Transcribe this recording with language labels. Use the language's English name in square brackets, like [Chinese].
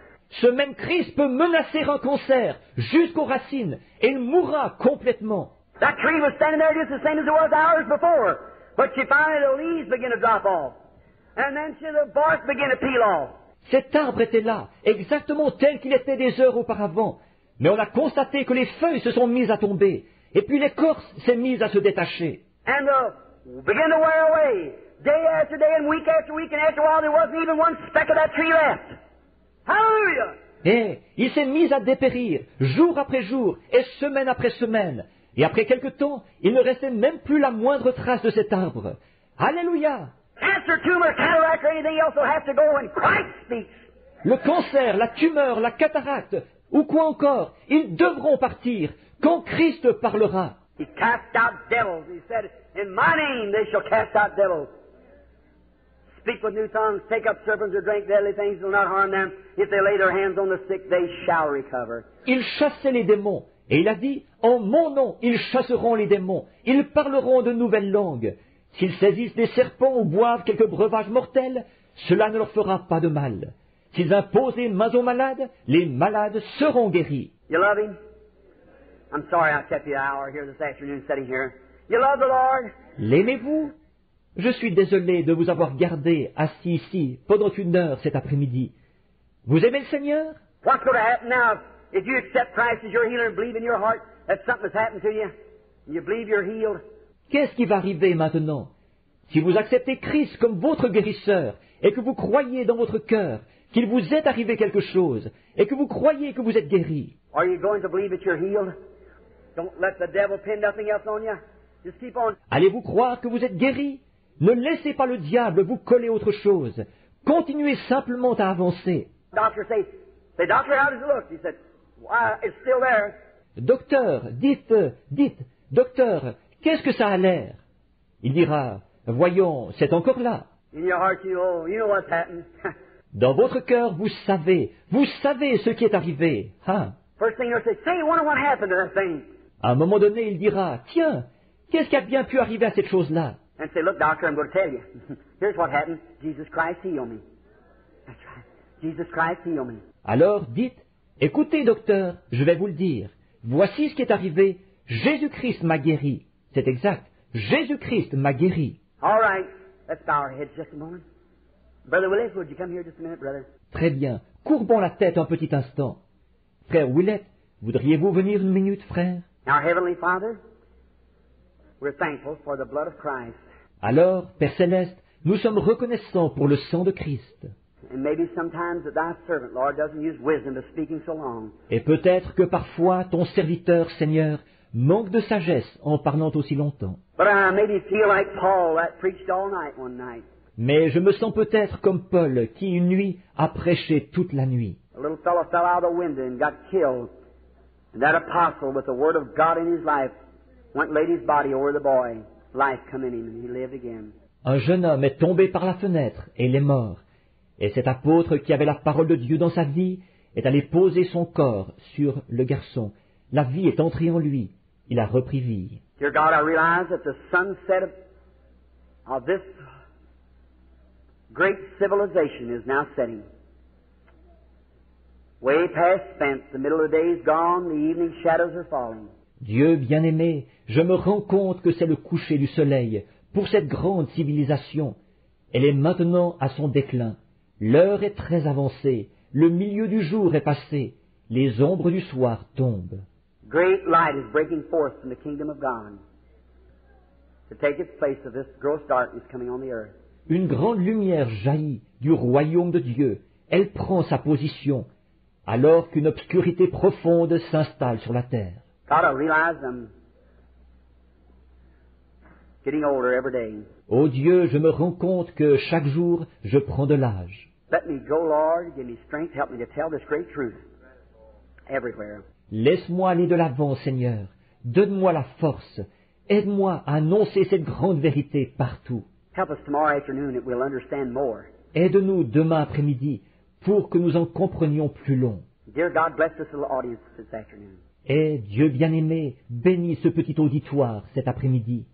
[French] Ce même Christ peut menacer un cancer jusqu'aux racines et il mourra complètement. [English] That tree was standing there just the same as it was hours before. But she finally the leaves begin to drop off. And then she the bark begin to peel off. [French] Cet arbre était là, exactement tel qu'il était des heures auparavant. Mais on a constaté que les feuilles se sont mises à tomber. Et puis l'écorce s'est mise à se détacher. [English] And begin to wear away. Day after day and week after week and after a while there wasn't even one speck of that tree left. Hallelujah! [French] Et il s'est mis à dépérir, jour après jour et semaine après semaine. Et après quelque temps, il ne restait même plus la moindre trace de cet arbre. Alléluia! [English] Cancer, tumor, cataract, or anything else will have to go when Christ speaks. [French] Le cancer, la tumeur, la cataracte, ou quoi encore, ils devront partir quand Christ parlera. [English] He cast out devils. He said, in my name they shall cast out devils. Speak with new tongues, take up serpents or drink deadly things, will not harm them. If they lay their hands on the sick, they shall recover. [French] Il chassait les démons, et il a dit, en mon nom, ils chasseront les démons, ils parleront de nouvelles langues. S'ils saisissent des serpents ou boivent quelques breuvages mortels, cela ne leur fera pas de mal. S'ils imposent les mains aux malades, les malades seront guéris. [English] You love him? I'm sorry I kept you an hour here this afternoon sitting here. You love the Lord? [French] L'aimez-vous? Je suis désolé de vous avoir gardé assis ici pendant une heure cet après-midi. Vous aimez le Seigneur? [English] What's going to happen now if you accept Christ as your healer and believe in your heart that something has happened to you, and you believe you're healed. [French] Qu'est-ce qui va arriver maintenant? Si vous acceptez Christ comme votre guérisseur et que vous croyez dans votre cœur qu'il vous est arrivé quelque chose et que vous croyez que vous êtes guéri. [English] Are you going to believe that you're healed? Don't let the devil pin nothing else on you. Just keep on. [French] Allez-vous croire que vous êtes guéri? Ne laissez pas le diable vous coller autre chose. Continuez simplement à avancer. [English] Doctor say, say doctor, how does it look? He said, why, it's still there. [French] Docteur, dites, docteur, qu'est-ce que ça a l'air? Il dira, voyons, c'est encore là. [English] In your heart, you know, what's happened. [French] Dans votre cœur, vous savez ce qui est arrivé. Huh? [English] First thing you'll say, say, I wonder what happened to that thing. [French] À un moment donné, il dira, tiens, qu'est-ce qui a bien pu arriver à cette chose-là? [English] And say, look, doctor, I'm going to tell you. Here's what happened. Jesus Christ healed me. That's right. Jesus Christ healed me. [French] Alors, dites, écoutez, docteur, je vais vous le dire. Voici ce qui est arrivé. Jésus-Christ m'a guéri. C'est exact. Jésus-Christ m'a guéri. [English] All right. Let's bow our heads just a moment. Brother Willis, would you come here just a minute, brother? [French] Très bien. Courbons la tête un petit instant. Frère Willett, voudriez-vous venir une minute, frère? [English] Our Heavenly Father, we're thankful for the blood of Christ. [French] Alors, Père Céleste, nous sommes reconnaissants pour le sang de Christ. [English] And maybe sometimes that thy servant, Lord, doesn't use wisdom to speaking so long. [French] Et peut-être que parfois ton serviteur, Seigneur, manque de sagesse en parlant aussi longtemps. [English] But I maybe feel like Paul that preached all night one night. [French] Mais je me sens peut-être comme Paul qui, une nuit, a prêché toute la nuit. [English] A little fellow fell out of the window and got killed. And that apostle with the word of God in his life went laid his body over the boy. Life come in him and he lived again. [French] Un jeune homme est tombé par la fenêtre et il est mort. Et cet apôtre qui avait la parole de Dieu dans sa vie est allé poser son corps sur le garçon. La vie est entrée en lui. Il a repris vie. [English] Dear God, I realize that the sunset of this great civilization is now setting. Way past spent, the middle of the day is gone, the evening shadows are falling. [French] Dieu bien-aimé, je me rends compte que c'est le coucher du soleil pour cette grande civilisation. Elle est maintenant à son déclin. L'heure est très avancée. Le milieu du jour est passé. Les ombres du soir tombent. [English] Great light is breaking forth from the kingdom of God to take its place of this gross darkness coming on the earth. [French] Une grande lumière jaillit du royaume de Dieu. Elle prend sa position alors qu'une obscurité profonde s'installe sur la terre. [English] God, I realize I'm getting older every day. [French] Oh Dieu, je me rends compte que chaque jour, je prends de l'âge. [English] Let me go, Lord, give me strength, help me to tell this great truth everywhere. [French] Laisse-moi aller de l'avant, Seigneur. Donne-moi la force. Aide-moi à annoncer cette grande vérité partout. [English] Help us tomorrow afternoon that we'll understand more. [French] Aide-nous demain après-midi pour que nous en comprenions plus long. [English] Dear God, bless this little audience this afternoon. [French] Et Dieu bien-aimé, bénis ce petit auditoire cet après-midi.